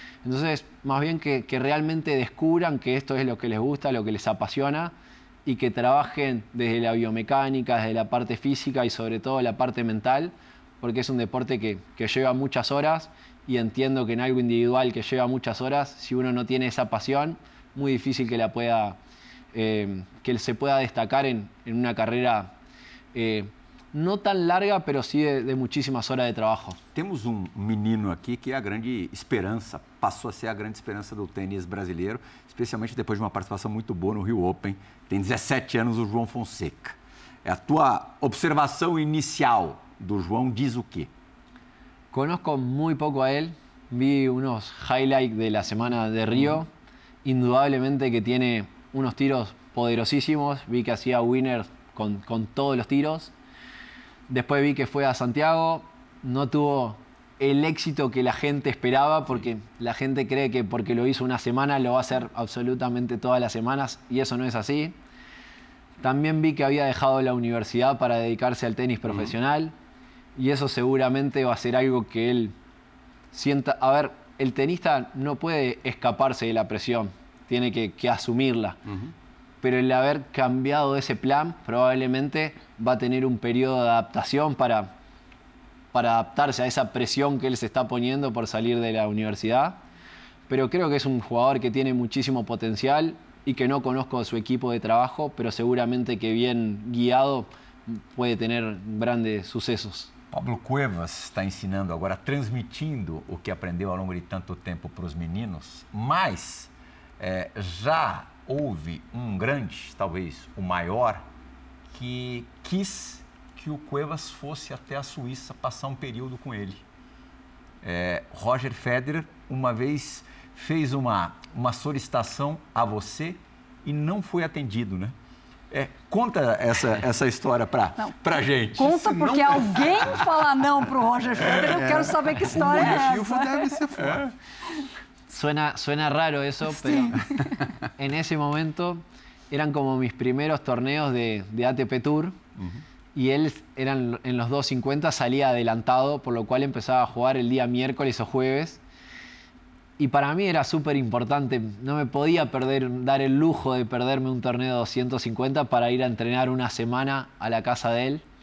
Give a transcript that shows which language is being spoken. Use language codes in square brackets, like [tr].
[es] Entonces, más bien que realmente descubran que esto es lo que les gusta, lo que les apasiona, y que trabajen desde la biomecánica, desde la parte física y sobre todo la parte mental, porque es un deporte que lleva muchas horas, y entiendo que en algo individual que lleva muchas horas, si uno no tiene esa pasión, muy difícil que la pueda que se pueda destacar en una carrera no tan larga, pero sí de muchísimas horas de trabajo. [pt] Temos um menino aqui que é a grande esperança, passou a ser a grande esperança do tênis brasileiro, especialmente depois de uma participação muito boa no Rio Open. Tem 17 anos, o João Fonseca. A tua observação inicial do João diz o quê? [es] Conozco muy poco a él. Vi unos highlights de la semana de Río. Indudablemente que tiene unos tiros poderosísimos. Vi que hacía winner con todos los tiros. Después vi que fue a Santiago. No tuvo el éxito que la gente esperaba, porque la gente cree que porque lo hizo una semana lo va a hacer absolutamente todas las semanas, y eso no es así. También vi que había dejado la universidad para dedicarse al tenis profesional. Y eso seguramente va a ser algo que él sienta. A ver, el tenista no puede escaparse de la presión, tiene que asumirla. Pero el haber cambiado ese plan probablemente va a tener un periodo de adaptación para adaptarse a esa presión que él se está poniendo por salir de la universidad. Pero creo que es un jugador que tiene muchísimo potencial y que no conozco su equipo de trabajo, pero seguramente que bien guiado puede tener grandes sucesos. [pt] Pablo Cuevas está ensinando agora, transmitindo o que aprendeu ao longo de tanto tempo para os meninos, mas já houve um grande, talvez o maior, que quis que o Cuevas fosse até a Suíça passar um período com ele. Roger Federer uma vez fez uma solicitação a você e não foi atendido, né? Conta essa história pra gente. Conta, porque não... alguém falar não pro Roger Federer, eu quero saber que história é essa. O motivo deve ser forte. [es] Suena raro eso, sí. Pero en ese momento eran como mis primeros torneos de ATP Tour, y él eran en los 250 salía adelantado, por lo cual empezaba a jugar el día miércoles o jueves. Y para mí era súper importante, no me podía dar el lujo de perderme un torneo de 250 para ir a entrenar una semana a la casa de él.